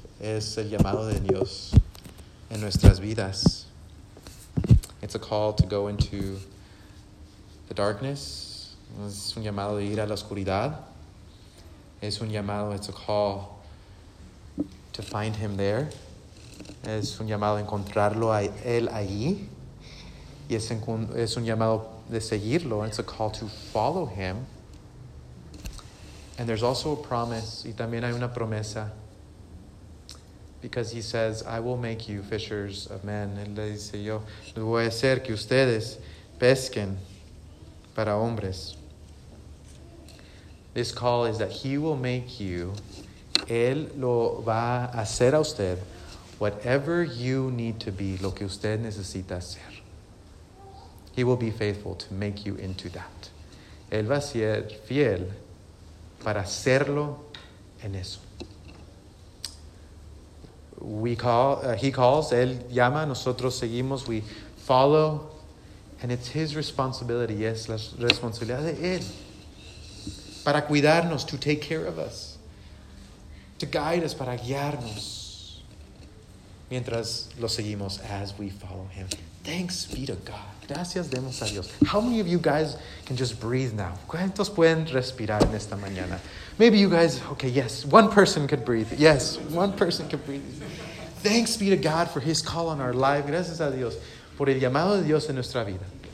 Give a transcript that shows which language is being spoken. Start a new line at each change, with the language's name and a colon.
Spanish: Es el llamado de Dios en nuestras vidas.
English: It's a call to go into the darkness.
Spanish: Es un llamado de ir a la oscuridad. Es un llamado,
English: it's a call to find him there.
Spanish: Es un llamado a encontrarlo a él ahí. Y es un llamado de seguirlo.
English: It's a call to follow him. And there's also a promise,
Spanish: y también hay una promesa,
English: Because he says, I will make you fishers of men.
Spanish: Él le dice, yo les voy a hacer que ustedes pesquen para hombres.
English: This call is that he will make you,
Spanish: él lo va a hacer a usted,
English: whatever you need to be,
Spanish: lo que usted necesita ser.
English: He will be faithful to make you into that.
Spanish: Él va a ser fiel para hacerlo en eso.
English: He calls,
Spanish: él llama, nosotros seguimos,
English: we follow, and it's his responsibility,
Spanish: es la responsabilidad de él, para cuidarnos,
English: to take care of us, to guide us,
Spanish: para guiarnos, mientras lo seguimos,
English: as we follow him. Thanks be to God.
Spanish: Gracias demos a Dios.
English: How many of you guys can just breathe now?
Spanish: ¿Cuántos pueden respirar en esta mañana?
English: Maybe you guys, okay, yes, one person could breathe. Yes, one person could breathe. Thanks be to God for his call on our life.
Spanish: Gracias a Dios por el llamado de Dios en nuestra vida.